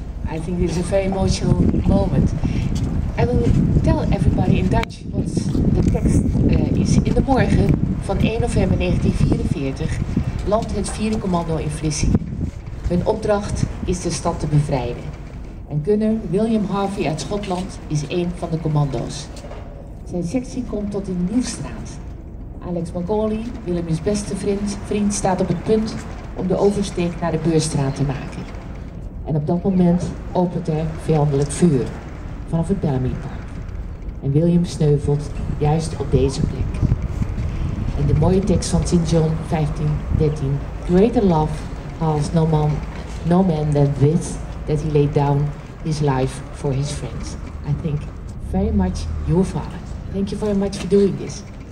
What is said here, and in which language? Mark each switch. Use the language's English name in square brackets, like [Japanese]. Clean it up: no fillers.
[English] I think this is a very emotional moment. I will tell everybody in Dutch what the text is. [Dutch] In de morgen van 1 november 1944 landt het 4e commando in Vlissingen. Hun opdracht is de stad te bevrijden. En Gunner William Harvey uit Schotland is een van de commando's. Zijn sectie komt tot in Nieuwstraat. Alex Magoli, Willem's beste vriend, staat op het punt om de oversteek naar de Beurstraat te maken. En op dat moment opent er vijandelijk vuur vanaf het Bellamypark. En William sneuvelt juist op deze plek. En de mooie tekst van St. John 15:13. [English] Greater love has no man than this, that he laid down his life for his friends. I think very much your father. Thank you very much for doing this.